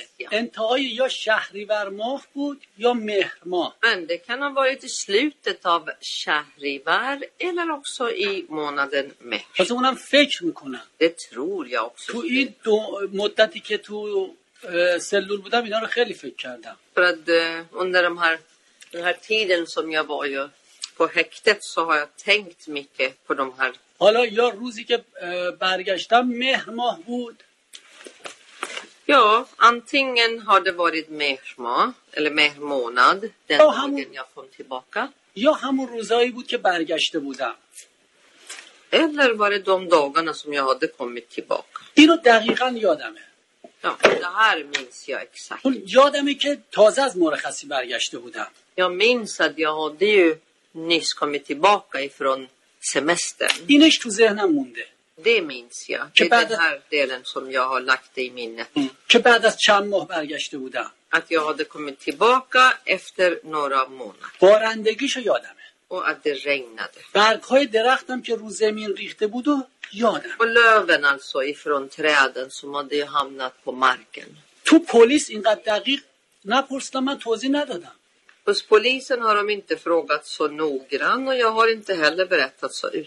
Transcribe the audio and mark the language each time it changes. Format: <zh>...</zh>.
<fa>انتهای یا شهریور ماه بود یا مهر ماه.</fa> <sv>Men det kan ha varit i slutet av شهریور eller också i månaden mehr.</sv> <fa>Alltså اونم فکر میکنم.</fa> <sv>Det tror jag också.</sv> <fa>تو این دو مدتی که تو سلول بودم اینا رو خیلی فکر کردم.</fa> <sv>För att under den här tiden som jag var ju på häktet så har jag tänkt mycket på de här.</sv> <fa>حالا یا روزی که برگشتم مهر ماه بود.</fa> <sv>یا antingen har det varit mehr ماه eller mehr månad den dagen jag kom tillbaka.</sv> <fa>یا همون روزایی بود که برگشته بودم.</fa> <sv>Eller var det de dagarna som jag hade kommit tillbaka.</sv> <fa>اینو دقیقاً یادمه.</fa> <sv>Ja, det här minns jag exakt.</sv> <fa>یادمه که تازه از مرخصی برگشته بودم.</fa> <sv>Jag minns att jag hade ju nyss kommit tillbaka ifrån semestern.</sv> <fa>اینش تو ذهنم مونده.</fa> <sv>Det minns jag. Det är den här delen som jag har lagt i minnet.</sv> <fa>که بعد از چند ماه برگشته بودم.</fa> <sv>Att jag hade kommit tillbaka efter några månader.</sv> <fa>بارندگیشو یادمه.</fa> <sv>Och att det regnade.</sv> <fa>برگ‌های درختم که رو زمین ریخته بود و یادم.</fa> <sv>Och löven alltså ifrån träden som hade hamnat på marken.</sv> <fa>تو پلیس اینقدر دقیق نپرسیدم، من توضیح ندادم.</fa> <sv>Hos polisen har de inte frågat så noggrann och jag har inte heller berättat så</sv>